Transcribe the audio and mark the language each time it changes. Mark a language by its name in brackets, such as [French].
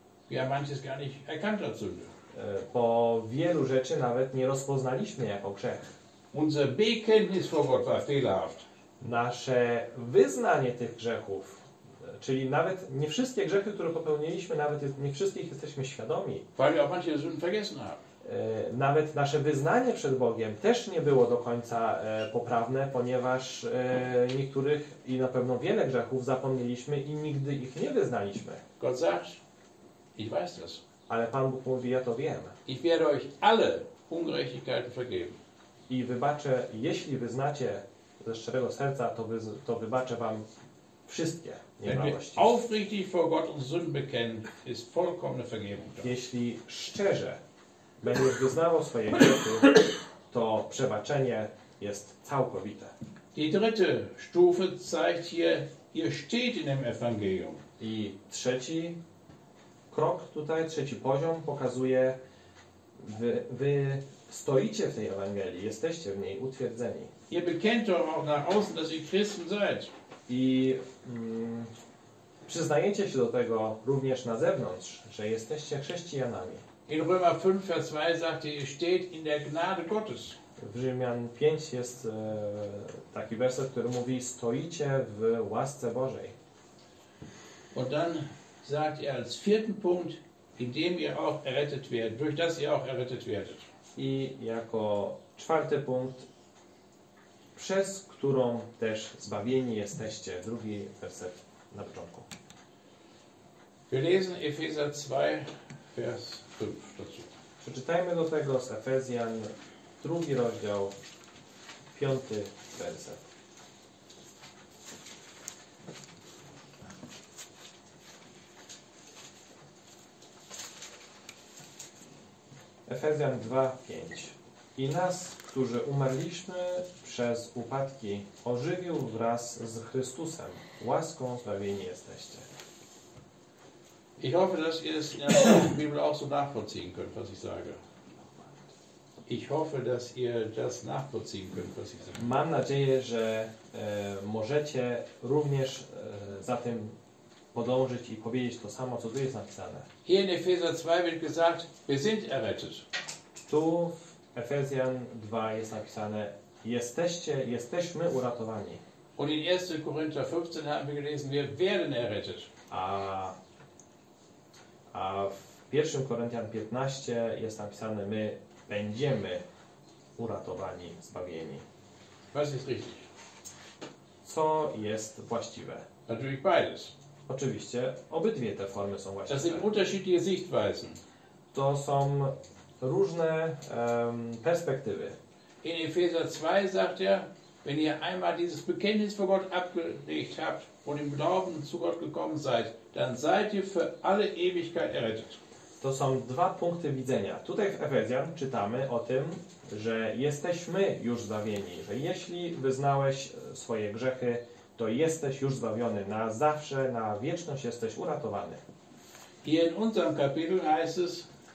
[German] Ja manches gar nicht erkannt als Sünde. [Polish] Po wielu rzeczy nawet nie rozpoznaliśmy jako grzech. [German] Unser Bekenntnis vor Gott war fehlerhaft. [Polish] Nasze wyznanie tych grzechów, czyli nawet nie wszystkie grzechy, które popełniliśmy, nawet nie wszystkich jesteśmy świadomi. [German] Weil wir auch manche Sünden vergessen haben. [Polish] Nawet nasze wyznanie przed Bogiem też nie było do końca poprawne, ponieważ niektórych i na pewno wiele grzechów zapomnieliśmy i nigdy ich nie wyznaliśmy. [German] Gott sagt, ich weiß das. [Polish] Ale Pan Bóg mówi, ja to wiem. [German] Ich werde euch alle Ungerechtigkeiten vergeben. [Polish] I wybaczę, jeśli wyznacie ze szczerego serca, to wybaczę wam wszystkie. [German] Aufrichtig vor Gott und Sünden bekennen, ist vollkommene Vergebung. [Polish] Jeśli szczerze będziesz wyznawał swoje grzechy, to przebaczenie jest całkowite. [German] Die dritte Stufe zeigt hier, ihr steht in dem Evangelium. [Polish] I trzeci krok tutaj, trzeci poziom pokazuje, wy stoicie w tej Ewangelii, jesteście w niej utwierdzeni. [German] Ihr bekennt auch nach außen, dass ihr Christen seid. [Polish] I przyznajecie się do tego również na zewnątrz, że jesteście chrześcijanami. [German] In Römer 5, Vers 2 sagt er, ihr steht in der Gnade Gottes. [Polish] W Rzymian 5 jest taki werset, który mówi, stoicie w łasce Bożej. [German] Und dann sagt er als vierten Punkt, indem ihr auch errettet werdet, durch das ihr auch errettet werdet. [Polish] I jako czwarty punkt, przez którą też zbawieni jesteście. Drugi werset na początku. [German] Wir lesen Epheser 2, Vers 5 dazu. [Polish] Przeczytajmy do tego z Efezjan, drugi rozdział, piąty werset. Efezjan 2, 5. I nas, którzy umarliśmy przez upadki, ożywił wraz z Chrystusem. Łaską zbawieni jesteście. [German] Ich hoffe, dass ihr es in der Bibel auch so nachvollziehen könnt, was ich sage. Ich hoffe, dass ihr das nachvollziehen könnt, was ich sage. [Polish] Mam nadzieję, że możecie również za tym podążyć i powiedzieć to samo, co tu jest napisane. [German] Hier in Epheser 2 wird gesagt, wir sind errettet. [Polish] Tu w Efezjan 2 jest napisane, jesteśmy uratowani. [German] Und in 1. Korinther 15 haben wir gelesen, wir werden errettet. [Polish] A w 1. Korinthian 15 jest napisane, my będziemy uratowani, zbawieni. [German] Was ist richtig? [Polish] Co jest właściwe? [German] Natürlich beides. [Polish] Oczywiście, obydwie te formy są właściwe. [German] Das sind unterschiedliche Sichtweisen. [Polish] To są różne perspektywy. [German] In Epheser 2 sagt er, wenn ihr einmal dieses Bekenntnis vor Gott abgelegt habt und im Glauben zu Gott gekommen seid, dann seid ihr für alle Ewigkeit errettet. [Polish] To są dwa punkty widzenia. Tutaj w Efezjan czytamy o tym, że jesteśmy już zbawieni, że jeśli wyznałeś swoje grzechy, to jesteś już zbawiony na zawsze, na wieczność jesteś uratowany. [German] I in unserem Kapitel heißt es,